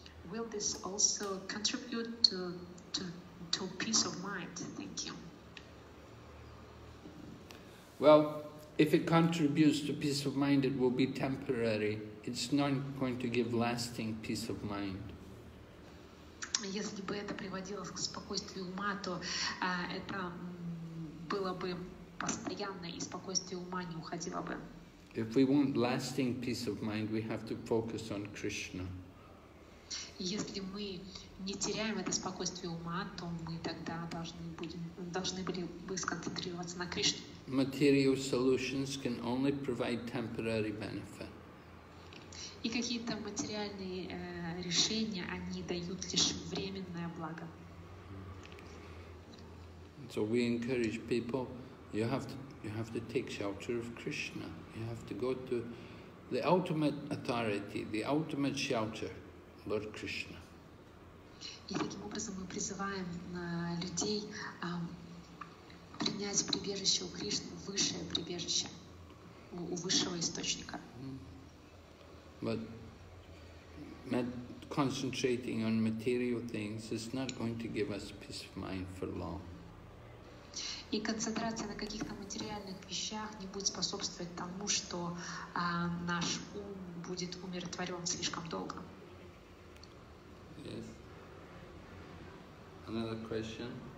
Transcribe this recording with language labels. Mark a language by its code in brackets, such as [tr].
[en] Will this also contribute to peace of mind? Thank you. Well, if it contributes to peace of mind, it will be temporary. It's not going to give lasting peace of mind. [ru] Если бы это приводило к спокойствию ума, то это было бы постоянно, и спокойствие ума не уходило бы. [en] If we want lasting peace of mind, we have to focus on Krishna. [ru] Если мы не теряем это спокойствие ума, то мы тогда должны были бы сконцентрироваться на Кришне. [en] Material solutions can only provide temporary benefit. [ru] И какие-то материальные решения, они дают лишь временное благо. [en] So we encourage people, you have to take shelter of Krishna. You have to go to the ultimate authority, the ultimate shelter, Lord Krishna. [ru] И таким образом мы призываем людей принять прибежище у Кришны, высшее прибежище, у высшего источника. [en] But concentrating on material things is not going to give us peace of mind for long. [ru] И концентрация на каких-то материальных вещах не будет способствовать тому, что наш ум будет умиротворен слишком долго. [en] Yes. Another question.